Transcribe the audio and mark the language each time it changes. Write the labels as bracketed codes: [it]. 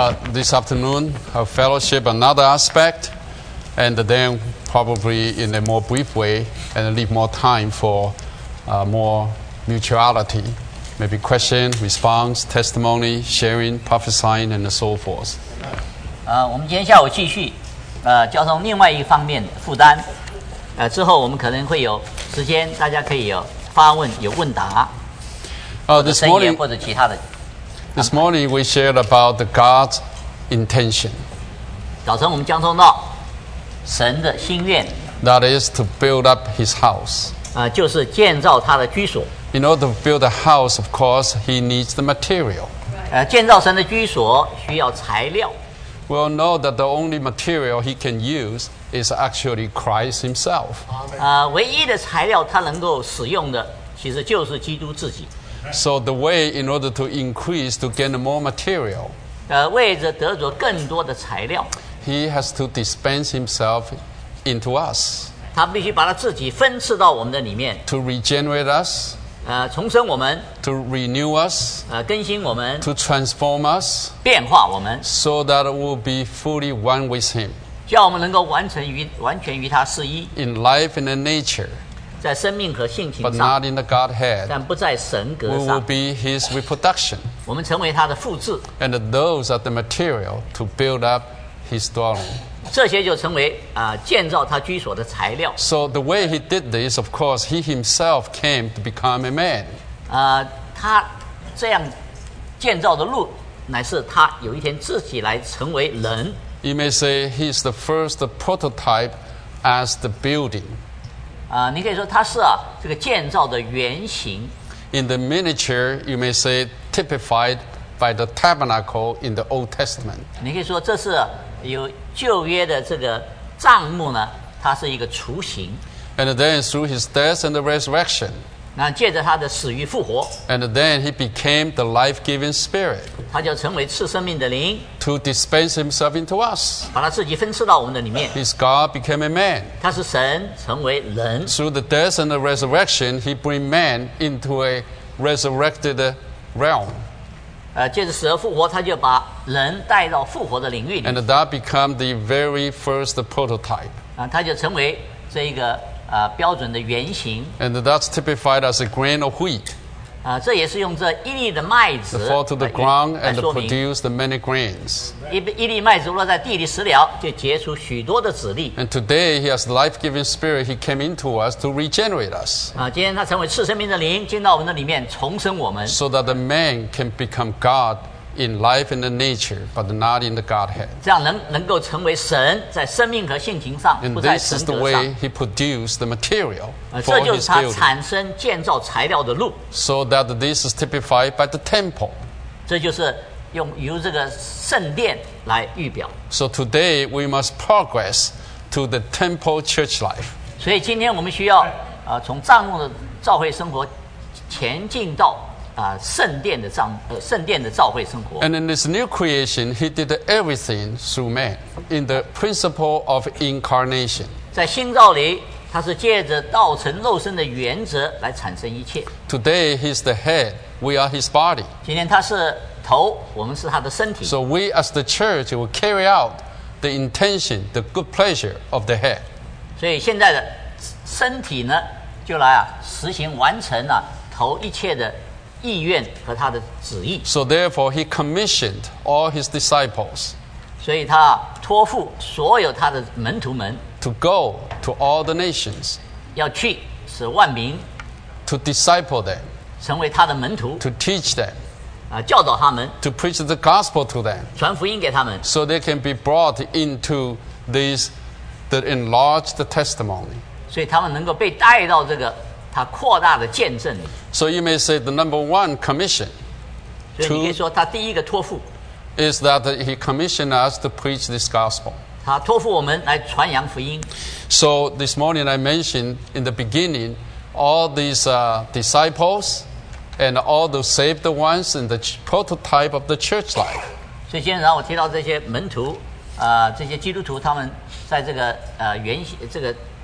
[en] this afternoon, our fellowship, another aspect, and then probably in a more brief way, and leave more time for more mutuality, maybe question, response, testimony, sharing, prophesying, and so forth. [zh] 我们今天下午继续，交通另外一方面负担，之后我们可能会有时间，大家可以有发问，有问答，或者声音或者其他的。 [en] This morning we shared about God's intention. [zh] 早晨我们将通到神的心愿。 [en] That is to build up His house. [zh] 就是建造他的居所。 [en] In order to build a house, of course, He needs the material. [zh] 建造神的居所需要材料。 [en] We all know that the only material He can use is actually Christ Himself. [zh] 唯一的材料他能够使用的其实就是基督自己。 [en] So the way in order to increase, to gain more material, [zh] 为着得着更多的材料 [en] he has to dispense himself into us. [zh] 他必须把他自己分赐到我们的里面 [en] to regenerate us, [zh] 重生我们 [en] to renew us, [zh] 更新我们 [en] to transform us, [zh] 变化我们 [en] so that we'll be fully one with him. [zh] 叫我们能够完全与他是一 [en] in life and in nature. [zh] 在生命和性情上 [en] But not in the Godhead, [zh] 但不在神格上 [en] We will be his reproduction, [zh] 我们成为他的复制 [en] And those are the material to build up his dwelling [zh] 这些就成为建造他居所的材料 [en] So the way he did this, of course, he himself came to become a man [zh] 他这样建造的路乃是他有一天自己来成为人 [en] You may say he is the first prototype as the building [zh] 你可以说他是这个建造的原型。 [en] In the miniature, you may say typified by the tabernacle in the Old Testament. [zh] 你可以说这是有旧约的这个帐幕呢，它是一个雏形。 [en] And then through his death and the resurrection. [zh] 那借着他的死与复活。 [en] And then he became the life-giving spirit. [zh] 他就成为赐生命的灵。 [en] To dispense himself into us. [zh] 把他自己分赐到我们的里面。 [en] His God became a man. [zh] 他是神成为人。 [en] Through the death and the resurrection, he bring man into a resurrected realm. [zh] 借着死而复活，他就把人带到复活的领域里。 [en] And that become the very first prototype. [zh] 他就成为这一个标准的原型 [en] and that's typified as a grain of wheat [zh] 这也是用这一粒的麦子 [en] fall to the ground and produce the many grains [zh] 一粒麦子落在地里食了就结出许多的籽粒 [en] and today he has life-giving spirit he came into us to regenerate us [zh] 今天他成为赐生命的灵进到我们的里面重生我们 [en] so that the man can become God in life and in nature but not in the Godhead [zh] 这样 能够成为神在生命和性情上 [en] and this is the way he produced the material for his building [zh] 这就是他产生建造材料的路 [en] so that this is typified by the temple [zh] 这就是由这个圣殿来预表 [en] so today we must progress to the temple church life [zh] 所以今天我们需要从帐幕的召会生活前进到圣殿的召会生活 [en] And in this new creation He did everything through man In the principle of incarnation [zh] 在新造里他是借着道成肉身的原则来产生一切 [en] Today he is the head We are his body [zh] 今天他是头我们是他的身体 [en] So we as the church will carry out the intention the good pleasure of the head [zh] 所以现在的身体呢就来实行完成了头一切的意愿和他的旨意 [en] So therefore he commissioned all his disciples [zh] 所以他托付所有他的门徒们 [en] To go to all the nations [zh] 要去使万民 [en] To disciple them [zh] 成为他的门徒 [en] To teach them [zh] 教导他们 [en] To preach the gospel to them [zh] 传福音给他们 [en] So they can be brought into this the enlarged testimony [zh] 所以他们能够被带到这个他扩大的见证 [en] So you may say the number one commission [zh] 所以你可以说他第一个托付 [en] is that he commissioned us to preach this gospel [zh] 他托付我们来传扬福音 [en] So this morning I mentioned in the beginning all these disciples and all those saved ones in the prototype of the church life [zh] 所以今天我提到这些门徒这些基督徒他们在这个原型这个